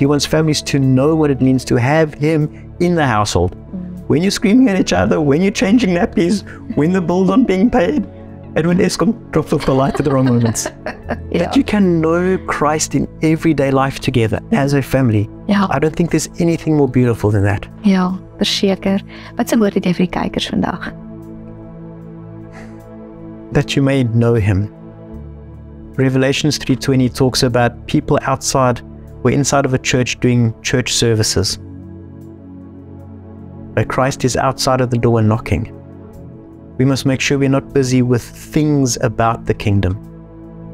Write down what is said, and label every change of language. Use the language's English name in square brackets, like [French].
[English] He wants families to know what it means to have him in the household. When you're screaming at each other, when you're changing nappies, when the bills aren't being paid, and when Eskom drops off the light at the wrong moments. Yeah. That you can know Christ in everyday life together as a family. Yeah. I don't think there's anything more beautiful than that. Yeah. [Afrikaans] Verseker, wat se woord het jy vir die kykers vandag? [English] That you may know him. Revelation 3:20 talks about people outside, we're inside of a church doing church services. But Christ is outside of the door knocking. We must make sure we're not busy with things about the kingdom.